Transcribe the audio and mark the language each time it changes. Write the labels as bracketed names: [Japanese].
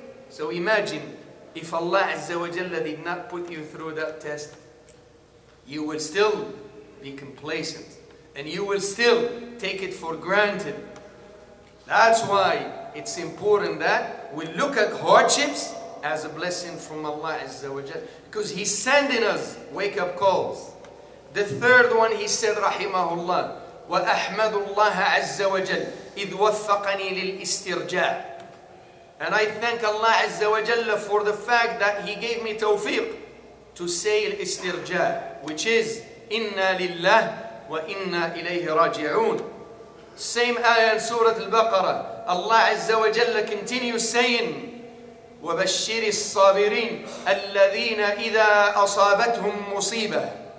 [English] So imagine if Allah Azza wa Jalla did not put you through that test, you will still be complacent and you will still take it for granted. That's why it's important that we look at hardships as a blessing from Allah Azza wa Jal. Because He's sending us wake-up calls. The third one He said, rahimahullah, [Arabic] وَأَحْمَدُ اللَّهَ عَزَّ وَجَلْ إِذْ وَفَّقَنِي لِلْإِسْتِرْجَاءِ. [English] And I thank Allah Azza wa Jalla for the fact that He gave me tawfiq to say الاسترجاء, which is [Arabic] إِنَّا لِلَّهِ وَإِنَّا إِلَيْهِ رَاجِعُونَ. [English] Same ayah in Surah Al-Baqarah. Allah Azza wa Jalla continues saying, [Arabic] وَبَشِّرِ الصَّابِرِينَ الَّذِينَ إِذَا أَصَابَتْهُمْ مُصِيبَةٌ.